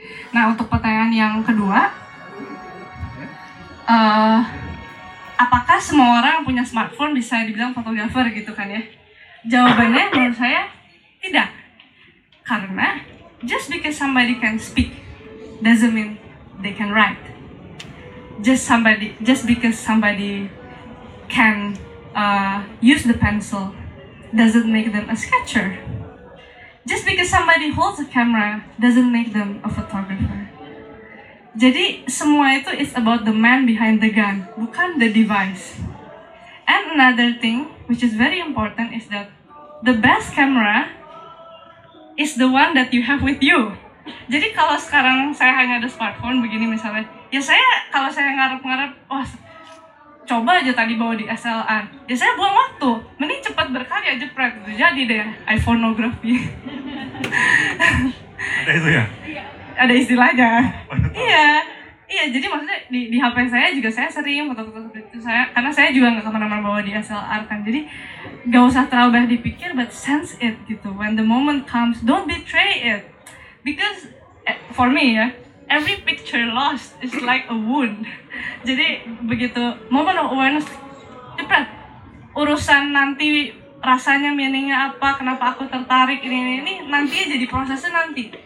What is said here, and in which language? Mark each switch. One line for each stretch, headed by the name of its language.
Indonesian: Nah, untuk pertanyaan yang kedua, apakah semua orang yang punya smartphone bisa dibilang fotografer gitu kan ya? Jawabannya menurut saya tidak. Karena
English: just because somebody can speak doesn't mean they can write. Just because somebody can use the pencil doesn't make them a sketcher. Just because somebody holds a camera doesn't make them a photographer.
Indonesian: Jadi semua itu
English: is about the man behind the gun,
Indonesian: bukan
English: the device. And another thing which is very important is that the best camera is the one that you have with you.
Indonesian: Jadi kalau sekarang saya hanya ada smartphone begini misalnya, ya saya kalau saya ngarep-ngarep, wah coba aja tadi bawa di SLR, ya saya buang waktu, mending cepat berkarya jepret gitu, jadi deh iPhoneography. Ada itu ya? Ada istilahnya. Iya, jadi maksudnya di HP saya juga saya sering foto-foto itu saya, karena saya juga nggak kemana-mana bawa di SLR kan, jadi nggak usah terlalu banyak dipikir,
English: but sense it
Indonesian: gitu.
English: When the moment comes, don't betray it, because for me
Indonesian: ya,
English: every picture lost is like a wound.
Indonesian: Jadi begitu
English: moment of awareness,
Indonesian: cepet urusan nanti rasanya, meaningnya apa, kenapa aku tertarik ini nanti jadi prosesnya nanti.